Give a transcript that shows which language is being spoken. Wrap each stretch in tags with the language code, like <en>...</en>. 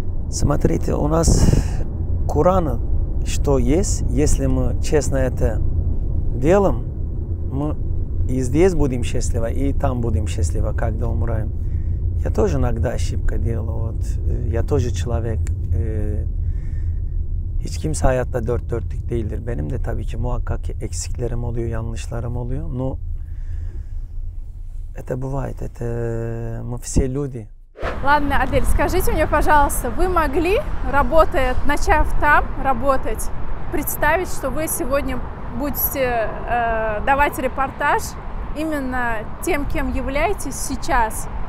<ru>Смотрите, у нас Куран, что есть, если мы честно это делаем, мы и здесь будем счастливы, и там будем счастливы, когда умрем. Я тоже иногда ошибка делаю, вот, я тоже человек.</ru> <tr>Hiç kimse hayatta dört dörtlük değildir. Benim de tabii ki muhakkak eksiklerim oluyor, yanlışlarım oluyor.</tr> <ru>Но это бывает, это мы все люди. Ладно, Адель, скажите мне, пожалуйста, вы могли, работая, начав там работать, представить, что вы сегодня будете давать репортаж именно тем, кем являетесь сейчас?</ru>